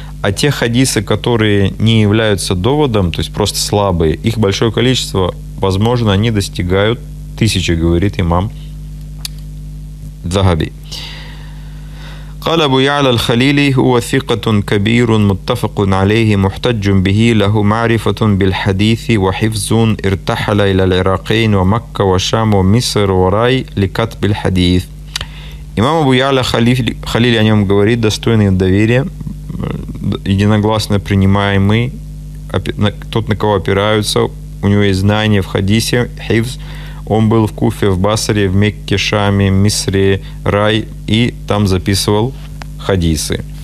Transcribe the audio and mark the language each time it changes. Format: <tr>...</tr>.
<ru>А те хадисы, которые не являются доводом, то есть просто слабые, их большое количество, возможно, они достигают тысячи, говорит имам Захаби.</ru> <ar>قال أبو يعلى الخليلي هو ثقة كبير متفق عليه محتج به له معرفة بالحديث وحفظ ارتحل إلى العراقين ومكة وشام ومصر وراي لكتب الحديث.</ar> <ru>Имам Абу Яля Халили о нем говорит, достойный доверия, единогласно принимаемый, тот, на кого опираются, у него есть знания в хадисе, хифз, он был в Куфе, в Басаре, в Мекке, Шаме, Мисре, Рай, и там записывал хадисы.</ru>